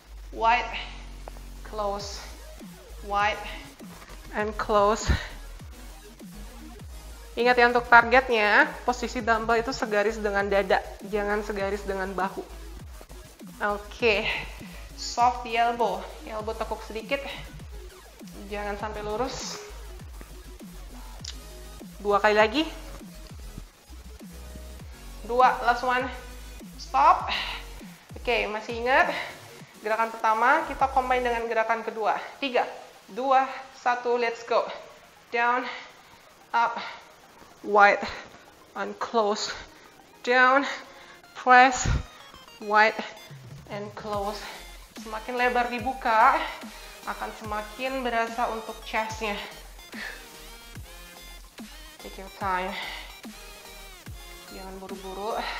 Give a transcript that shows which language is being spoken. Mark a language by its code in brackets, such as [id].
[en] Wide, close, wide, and close. [id] Ingat ya, untuk targetnya, posisi dumbbell itu segaris dengan dada, jangan segaris dengan bahu. [en] Okay, soft the elbow. [id] Elbow tekuk sedikit, jangan sampai lurus. 2 kali lagi. 2, [en] last one, stop. [id] Okay, masih ingat, gerakan pertama kita combine dengan gerakan kedua. [en] 3, 2, 1, let's go. Down, up, wide, and close. Down, press, wide, and close. [id] Semakin lebar dibuka, akan semakin berasa untuk chestnya. [en] Take your time. [id] Jangan buru-buru.